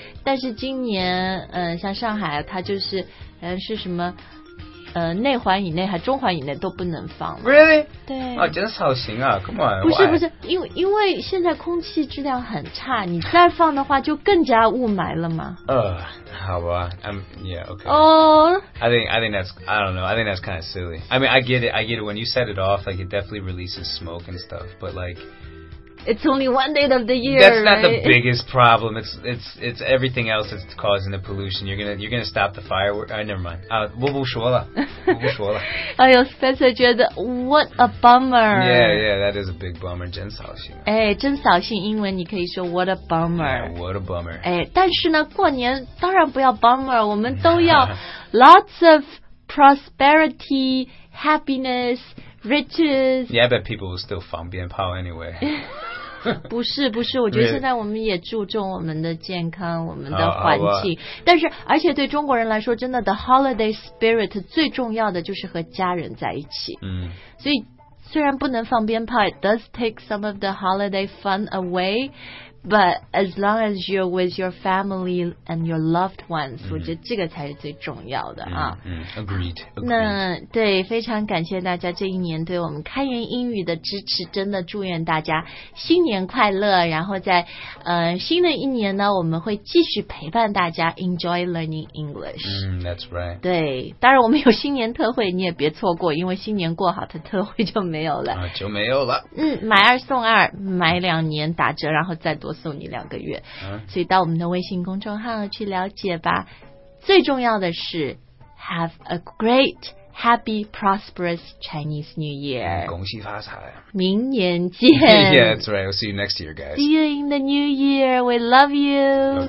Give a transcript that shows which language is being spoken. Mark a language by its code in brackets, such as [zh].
[zh] 但是今年，像上海，它就是是什么？内环以内还中环以内都不能放。 [en] Really？ [zh] 对。啊，真扫兴啊 ！ [en] Come on。 [zh] 不是不是，因为现在空气质量很差，你再放的话就更加雾霾了嘛。好吧 [en] ，I'm yeah okay. Oh. I think that's I don't know. I think that's kind of silly. I mean, I get it. When you set it off, like it definitely releases smoke and stuff, but like. It's only one day of the year. That's not right? the biggest problem. It's everything else that's causing the pollution. You're gonna stop the firework. Never mind. [zh] 我不说了。哎呦 ，Spencer 觉得 [en] what a bummer. Yeah, that is a big bummer. [zh] 真扫兴。哎，真扫兴。英文你可以说 [en] what a bummer. Yeah, what a bummer. [zh] 哎，但是呢，过年当然不要 bummer. 我们都要 [en] lots of prosperity, happiness. Riches. Yeah, but people will still 放鞭炮 anyway. [zh] 不是不是，我觉得现在我们也注重我们的健康，我们的环境。但是，而且对中国人来说，真的 [en] the holiday spirit [zh] 最重要的就是和家人在一起。嗯。所以虽然不能放鞭炮 [en] ，it does take some of the holiday fun away. But as long as you're with your family and your loved ones,、mm-hmm. [zh] 我觉得这个才是最重要的、 [en] mm-hmm. 啊。 Mm-hmm. Agreed. [zh] 那对，非常感谢大家这一年对我们开言英语的支持，真的祝愿大家新年快乐。然后在、新的一年呢，我们会继续陪伴大家 [en] enjoy learning English.、 Mm, that's right. [zh] 对，当然我们有新年特惠，你也别错过，因为新年过好，它特惠就没有了。就没有了。嗯，买二送二，买两年打折，然后再多送你两个月。嗯、所以到我们的微信公众号去了解吧。最重要的是 [en] ，Have a great, happy, prosperous Chinese New Year！、 [zh] 嗯、恭喜发财！明年见。 [en] Yeah, that's right. I'll see you next year, guys. See you in the New Year. We love you.